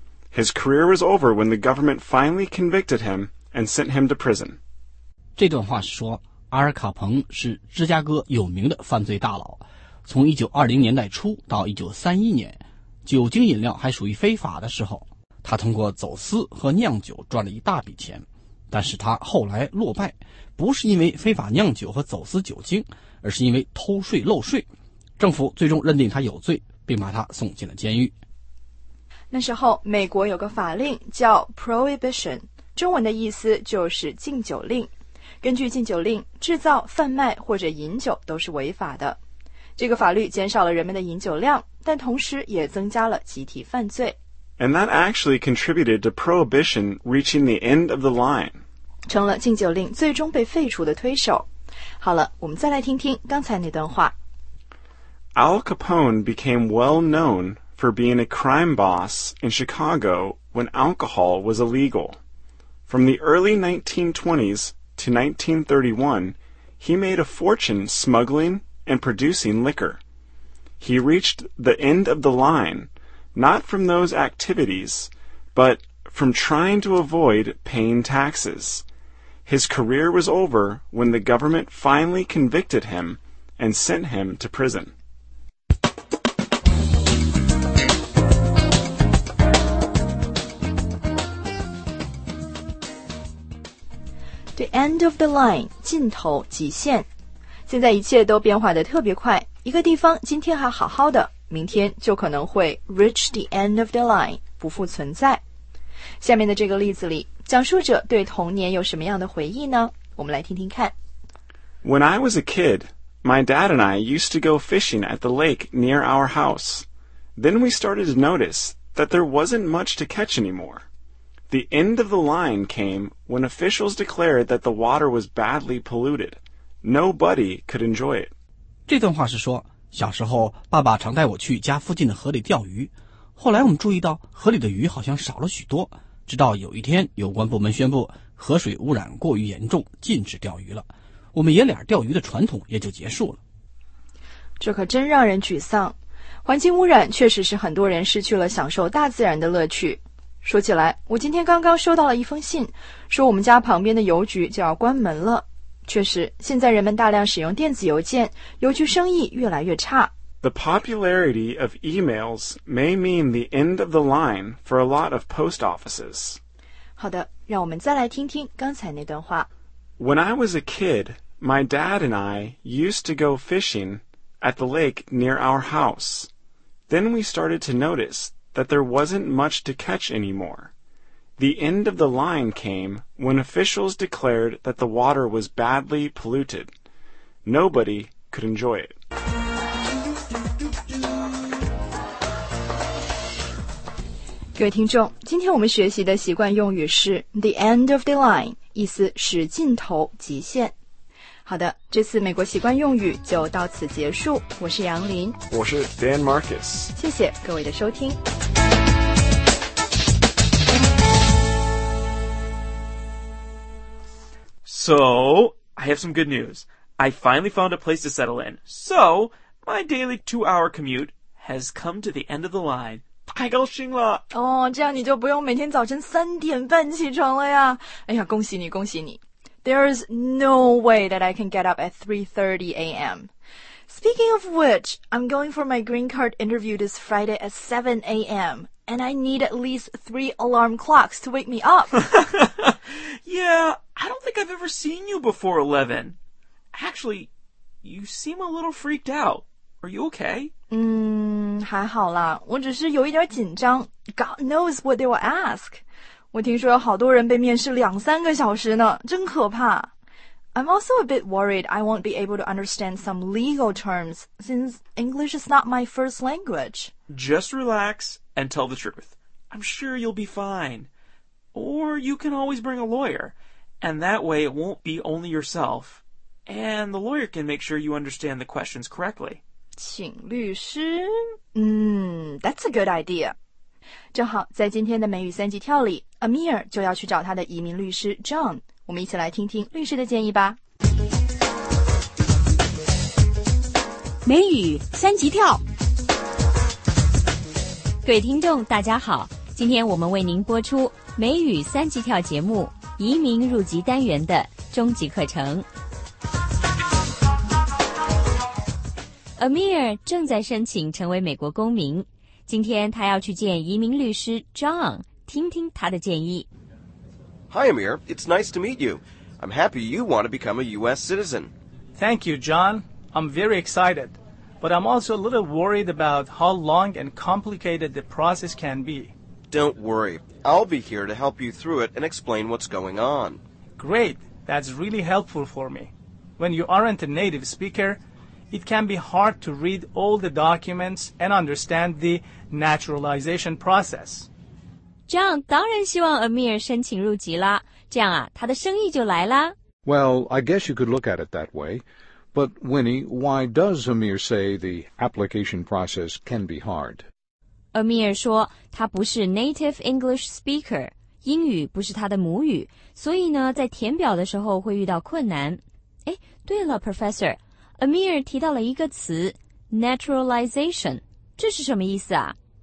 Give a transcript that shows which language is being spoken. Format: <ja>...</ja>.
<en>His career was over when the government finally convicted him and sent him to prison.</en> <zh>这段话是说，阿尔卡彭是芝加哥有名的犯罪大佬。从1920年代初到1931年，酒精饮料还属于非法的时候，他通过走私和酿酒赚了一大笔钱。但是他后来落败，不是因为非法酿酒和走私酒精，而是因为偷税漏税。政府最终认定他有罪，并把他送进了监狱。那时候，美国有个法令叫 Prohibition， 中文的意思就是禁酒令。根据禁酒令，制造、贩卖或者饮酒都是违法的。这个法律减少了人们的饮酒量，但同时也增加了集体犯罪。</zh> <en>And that actually contributed to prohibition reaching the end of the line.</en> <zh>成了禁酒令最终被废除的推手。好了，我们再来听听刚才那段话。</zh> <en>Al Capone became well known for being a crime boss in Chicago when alcohol was illegal. From the early 1920s to 1931, he made a fortune smuggling and producing liquor. He reached the end of the line, not from those activities, but from trying to avoid paying taxes. His career was over when the government finally convicted him and sent him to prison. The end of the line,</en> <zh>尽头极限。现在一切都变化得特别快，一个地方今天还好好的，明天就可能会</zh> <en>reach the end of the line,</en> <zh>不复存在。下面的这个例子里，讲述者对童年有什么样的回忆呢？我们来听听看。</zh> <en>When I was a kid, my dad and I used to go fishing at the lake near our house. Then we started to notice that there wasn't much to catch anymore. The end of the line came when officials declared that the water was badly polluted. Nobody could enjoy it.</en> <zh>这段话是说，小时候爸爸常带我去家附近的河里钓鱼，后来我们注意到河里的鱼好像少了许多，直到有一天有关部门宣布河水污染过于严重，禁止钓鱼了，我们爷俩钓鱼的传统也就结束了。这可真让人沮丧，环境污染确实是很多人失去了享受大自然的乐趣。说起来，我今天刚刚收到了一封信，说我们家旁边的邮局就要关门了。确实，现在人们大量使用电子邮件，邮局生意越来越差。</zh> <en>The popularity of emails may mean the end of the line for a lot of post offices.</en> <zh>好的，让我们再来听听刚才那段话。</zh> <en>When I was a kid, my dad and I used to go fishing at the lake near our house. Then we started to notice... that there wasn't much to catch anymore. The end of the line came when officials declared that the water was badly polluted. Nobody could enjoy it.</en> <zh>各位听众，今天我们学习的习惯用语是</zh> <en>the end of the line,</en> <zh>意思是尽头、极限。好的，这次美国习惯用语就到此结束。我是杨林，我是 Dan Marcus。谢谢各位的收听。</zh> <en>So, I have some good news. I finally found a place to settle in. So, my daily 2-hour commute has come to the end of the line.</en> <zh>太高兴了！哦，这样你就不用每天早晨3:30起床了呀。哎呀，恭喜你，恭喜你。</zh> <en>There is no way that I can get up at 3:30 a.m. Speaking of which, I'm going for my green card interview this Friday at 7 a.m. And I need at least 3 alarm clocks to wake me up. Yeah, I don't think I've ever seen you before 11. Actually, you seem a little freaked out. Are you okay?</en> <zh>还好啦，我只是有一点紧张。</zh> <en>God knows what they will ask.</en> <zh>我听说有好多人被面试2-3</zh> <en>hours</en> <zh>呢，真可怕。</zh> <en>I'm also a bit worried I won't be able to understand some legal terms since English is not my first language. Just relax and tell the truth. I'm sure you'll be fine. Or you can always bring a lawyer, and that way it won't be only yourself, and the lawyer can make sure you understand the questions correctly.</en> <zh>请律师？</zh> <en>That's a good idea.</en> <zh>正好在今天的美语三级跳里， Amir 就要去找他的移民律师 John， 我们一起来听听律师的建议吧。美语三级跳，各位听众大家好，今天我们为您播出美语三级跳节目移民入籍单元的终极课程。 Amir 正在申请成为美国公民，今天他要去见移民律师 John， 听听他的建议。</zh> <en>Hi Amir, it's nice to meet you. I'm happy you want to become a U.S. citizen. Thank you, John. I'm very excited, but I'm also a little worried about how long and complicated the process can be. Don't worry. I'll be here to help you through it and explain what's going on. Great. That's really helpful for me. When you aren't a native speaker, it can be hard to read all the documents and understand the naturalization process.</en> <zh>John 当然希望 Amir 申请入籍啦，这样啊，他的生意就来啦。</zh> <en>Well, I guess you could look at it that way. But Winnie, why does Amir say the application process can be hard?</en> <zh>Amir 说他不是</zh> <en>native English speaker,</en> <zh>英语不是他的母语，所以呢，在填表的时候会遇到困难。哎，对了 ,Professor, Amir 提到了一个词 ,naturalization, 这是什么意思啊？</zh>